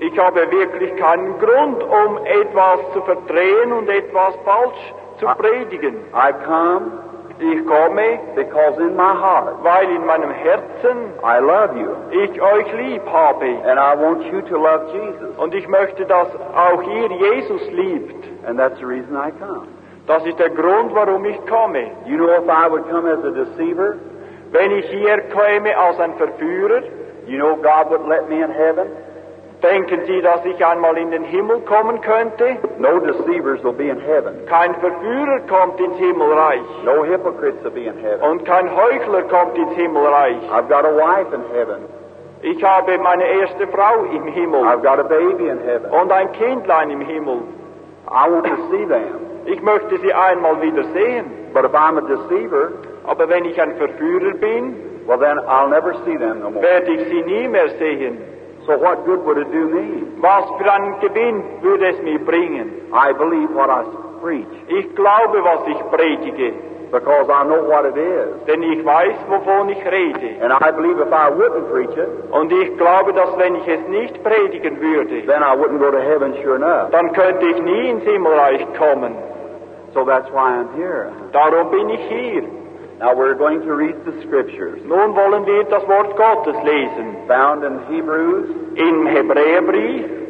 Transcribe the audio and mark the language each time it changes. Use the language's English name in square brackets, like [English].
[German] Ich habe wirklich keinen Grund, etwas zu verdrehen und etwas falsch zu predigen. [English] I come. [German] Ich komme. [English] Because in my heart. [German] Weil in meinem Herzen. [English] I love you. [German] Ich euch lieb habe. [English] And I want you to love Jesus. [German] Und ich möchte, dass auch ihr Jesus liebt. [English] And that's the reason I come. [German] Das ist der Grund, warum ich komme. [English] You know, if I would come as a deceiver. [German] Wenn ich hier käme als ein Verführer, [English] you know God would let me in heaven? [German] Denken Sie, dass ich einmal in den Himmel kommen könnte? [English] No deceivers will be in heaven. [German] Kein Verführer kommt ins Himmelreich. [English] No hypocrites will be in heaven. [German] Und kein Heuchler kommt ins Himmelreich. [English] I've got a wife in heaven. [German] Ich habe meine erste Frau im Himmel. [English] I've got a baby in heaven. [German] Und ein Kindlein im Himmel. [English] I want to see them. [German] Ich möchte sie einmal wieder sehen. [English] But if I'm a deceiver, [German] aber wenn ich ein Verführer bin, [English] well, then I'll never see them no more. [German] Werde ich sie nie mehr sehen. [English] So what good would it do me? [German] Was für einen Gewinn würde es mir bringen? [English] I believe what I preach. [German] Ich glaube, was ich predige. [English] Because I know what it is. [German] Denn ich weiß, wovon ich rede. [English] And I believe if I wouldn't preach it, [German] und ich glaube, dass wenn ich es nicht predigen würde, [English] then I wouldn't go to heaven, sure enough. [German] Dann könnte ich nie ins Himmelreich kommen. [English] So that's why I'm here. [German] Darum bin ich hier. [English] Now we're going to read the scriptures. [German] Nun wollen wir das Wort Gottes lesen. [English] Found in Hebrews. [German] In Hebräerbrief.